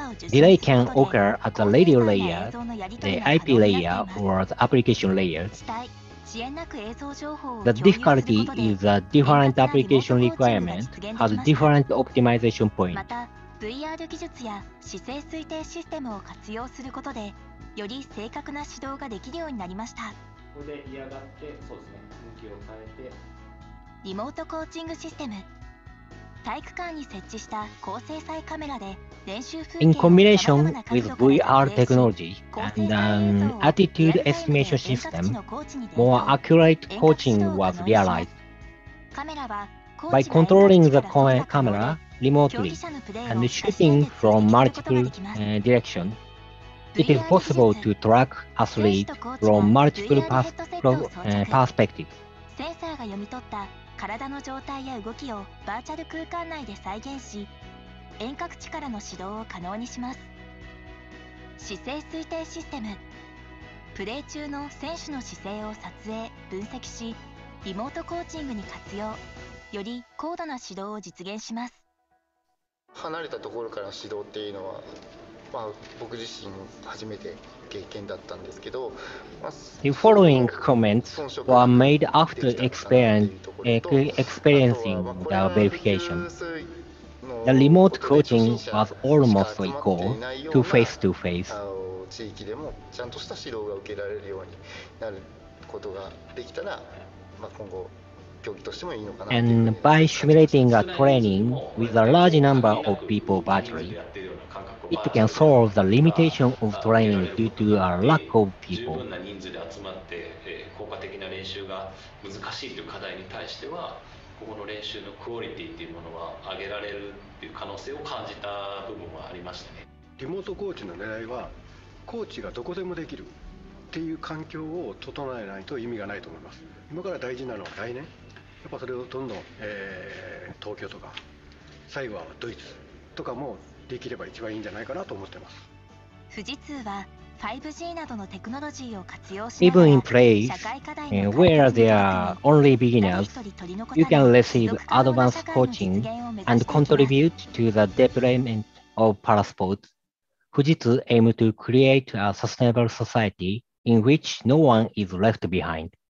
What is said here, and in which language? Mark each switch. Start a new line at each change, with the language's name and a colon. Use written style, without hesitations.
English: Delay can occur at the radio layer, the IP layer, or the application layer. The difficulty is that different application requirements have different optimization points.
Japanese: より正確な指導ができるようになりました。これで嫌がって、そうですね、向きを変えて。リモートコーチングシステム。体育館に設置した高精細カメラで練習風景。
English: In combination with VR technology and an attitude estimation system, more accurate coaching was realized.
Japanese: カメラは、
English: By controlling the camera remotely and shooting from multiple directions. It is possible to track athletes from multiple perspectives.
Japanese: センサーが読み取った体の状態や動きをバーチャル空間内で再現し、遠隔地からの指導を可能にします。姿勢推定システム、プレー中の選手の姿勢を撮影分析し、リモートコーチングに活用、より高度な指導を実現します。離れたところから指導っていうのは、まあ、僕自身初めて経験だったんですけど、まあ、
English: The following comments were made after experiencing the verification. The remote coaching was almost equal to face-to-face.
Japanese: 地域でもちゃんとした指導が受けられるようになることができたら、まあ、今後
English: And by simulating a training with a large number of people virtually, it can solve the limitation of training due to a lack of people.
Japanese: 十分な人数で集まって、効果的な練習が難しいという課題に対しては、ここの練習のクオリティというものは上げられるという可能性を感じた部分はありましたね。リモートコーチの狙いは、コーチがどこでもできるっていう環境を整えないと意味がないと思います。今から大事なのは来年、やっぱそれをどんどん、東京とか最後はドイツとかもできれば一番いいんじゃないかなと思ってます。富士通は 5G などのテクノロジーを活用しながら、
English: Even in place where they are only beginners, you can receive advanced coaching and contribute to the development of parasports. 富士通 aim to create a sustainable societyin which no one is left behind.